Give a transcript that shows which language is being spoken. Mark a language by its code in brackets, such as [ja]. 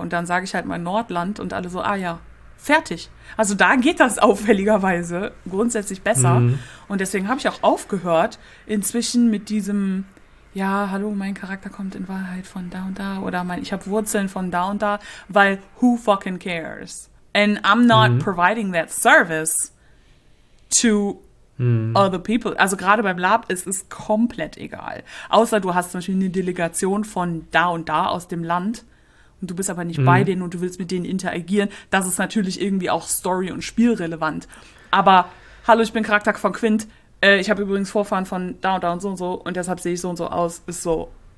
[de] Und dann sage ich halt mein Nordland und alle so, ah ja. Fertig. Also da geht das auffälligerweise grundsätzlich besser. Und deswegen habe ich auch aufgehört, inzwischen mit diesem, ja, hallo, mein Charakter kommt in Wahrheit von da und da oder ich habe Wurzeln von da und da, weil [en] who fucking cares? And I'm not providing that service to other people. [de] Also gerade beim Lab ist es komplett egal. Außer du hast zum Beispiel eine Delegation von da und da aus dem Land. Und du bist aber nicht bei denen und du willst mit denen interagieren. Das ist natürlich irgendwie auch story- und spielrelevant. Aber hallo, ich bin Charakter von Quint. Ich habe übrigens Vorfahren von da und so und so und deshalb sehe ich so und so aus. Ist so,